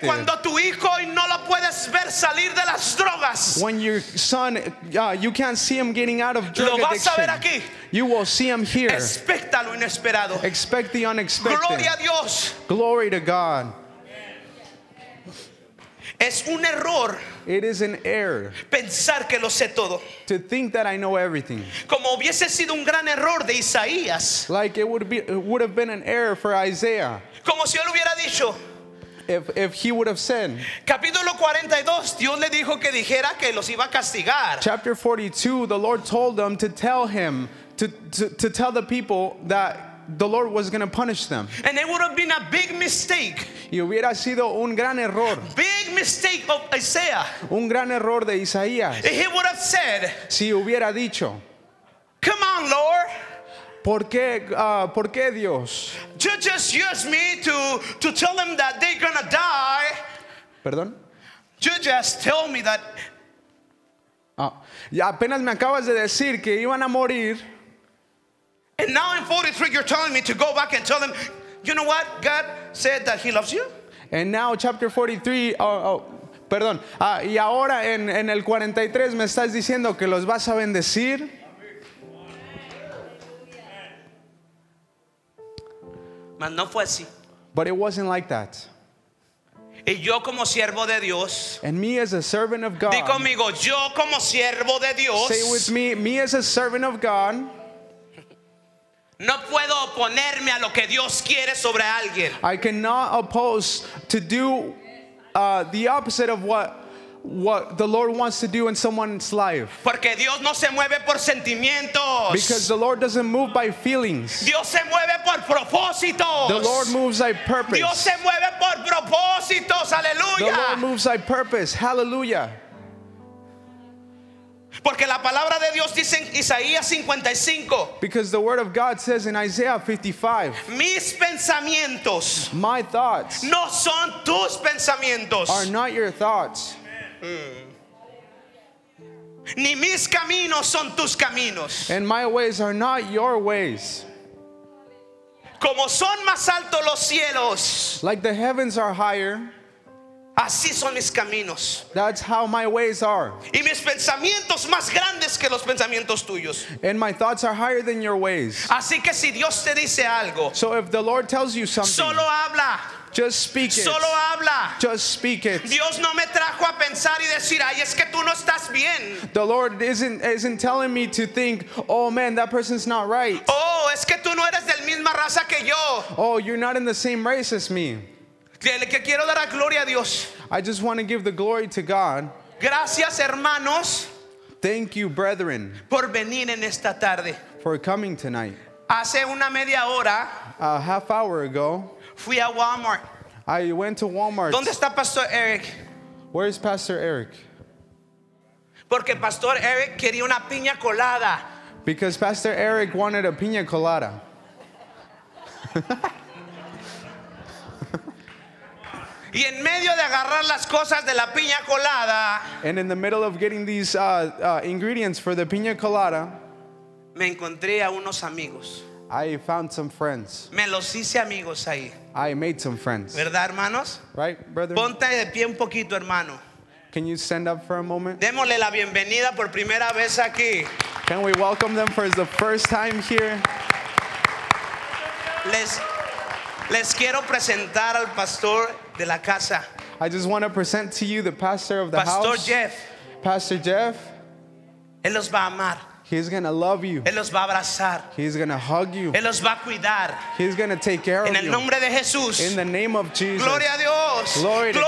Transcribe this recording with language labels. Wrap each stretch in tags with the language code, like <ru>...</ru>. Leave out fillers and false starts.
<es>Que cuando tu hijo no lo puedes ver salir de las drogas.</es> <en>When your son, you can't see him getting out of drug addiction.</en> <es>Lo vas a ver aquí.</es> <en>You will see him here.</en> <es>Expecta lo inesperado.</es> <en>Expect the unexpected.</en> <es>Gloria a Dios.</es> <en>Glory to God.</en> <es>Es un error.</es> <en>It is an error.</en> <es>Pensar que lo sé todo.</es> <en>To think that I know everything.</en> <es>Como hubiese sido un gran error de Isaías.</es> <en>Like it would have been an error for Isaiah.</en> <es>Como si él hubiera dicho.</es> <en>If he would have said.</en> <es>Capítulo 42, Dios le dijo que dijera que los iba a castigar.</es> <en>Chapter 42, the Lord told them to tell him to tell the people that the Lord was going to punish them. And it would have been a big mistake.</en> <es>Y hubiera sido un gran error.</es> <en>Big mistake of Isaiah.</en> <es>Un gran error de Isaías.</es> <en>If he would have said.</en> <es>Si hubiera dicho.</es> <en>Come on, Lord.</en> <es>¿Por qué Dios?</es> <en>You just use me to tell them that they're going to die.</en> <es>Perdón.</es> <en>You just tell me that.</en> <es>Y apenas me acabas de decir que iban a morir.</es> <en>And now in 43, you're telling me to go back and tell them, you know what? God said that he loves you. And now chapter 43,</en> <es>perdón. Y ahora en el 43 me estás diciendo que los vas a bendecir. Mas no fue así.</es> <en>But it wasn't like that.</en> <es>Y yo como siervo de Dios.</es> <en>And me as a servant of God.</en> <es>Di conmigo, yo como siervo de Dios.</es> <en>Say with me as a servant of God.</en> <es>No puedo oponerme a lo que Dios quiere sobre alguien.</es> <en>I cannot oppose to do the opposite of what the Lord wants to do in someone's life.</en> <es>Porque Dios no se mueve por sentimientos.</es> <en>Because the Lord doesn't move by feelings.</en> <es>Dios se mueve por propósitos.</es> <en>The Lord moves by purpose.</en> <es>Dios se mueve por propósitos. Aleluya.</es> <en>The Lord moves by purpose. Hallelujah.</en> <es>Porque la palabra de Dios dice en Isaías 55.</es> <en>Because the word of God says in Isaiah 55.</en> <es>Mis pensamientos.</es> <en>My thoughts.</en> <es>No son tus pensamientos.</es> <en>Are not your thoughts.</en> <es>Ni mis caminos son tus caminos.</es> <en>And my ways are not your ways.</en> <es>Como son más altos los cielos.</es> <en>Like the heavens are higher.</en> <es>Así son mis caminos.</es> <en>That's how my ways are.</en> <es>Y mis pensamientos más grandes que los pensamientos tuyos.</es> <en>And my thoughts are higher than your ways.</en> <es>Así que si Dios te dice algo.</es> <en>So if the Lord tells you something.</en> <es>Solo habla.</es> <en>Just speak it.</en> <es>Solo habla.</es> <en>Just speak it.</en> <es>Dios no me trajo a pensar y decir, ay, es que tú no estás bien.</es> <en>The Lord isn't telling me to think, oh man, that person's not right.</en> <es>Oh, es que tú no eres de la misma raza que yo.</es> <en>Oh, you're not in the same race as me.</en> <es>Que quiero dar a gloria a Dios.</es> <en>I just want to give the glory to God.</en> <es>Gracias, hermanos.</es> <en>Thank you, brethren, por venir en esta tarde. For coming tonight.</en> <es>Hace una media hora,</es> <en>a half hour ago,</en> <es>fui a Walmart.</es> <en>I went to Walmart.</en> <es>¿Dónde está Pastor Eric?</es> <en>Where is Pastor Eric?</en> <es>Porque Pastor Eric quería una piña colada.</es> <en>Because Pastor Eric wanted a piña colada.</en> <es>Y en medio de agarrar las cosas de la piña colada,</es> <en>and in the middle of getting these ingredients for the piña colada,</en> <es>me encontré a unos amigos.</es> <en>I found some friends.</en> <es>Me los hice amigos ahí.</es> <en>I made some friends.</en> <es>¿Verdad, hermanos?</es> <en>Right, brother?</en> <es>Ponte de pie un poquito, hermano.</es> <en>Can you stand up for a moment?</en> <es>Démosle la bienvenida por primera vez aquí.</es> <en>Can we welcome them for the first time here?</en> <es>Les quiero presentar al pastor de la casa.</es> <en>I just want to present to you the pastor of the pastor house.</en> <es>Pastor Jeff.</es> <en>Pastor Jeff.</en> <es>Él los va a amar.</es> <en>He's going to love you.</en> <es>Él los va a abrazar.</es> <en>He's going to hug you.</en> <es>Él los va a cuidar.</es> <en>He's going to take care of you.</en> <es>En el nombre de Jesús.</es> <en>In the name of Jesus.</en> <es>Gloria a Dios.</es> <en>Glory to God.</en>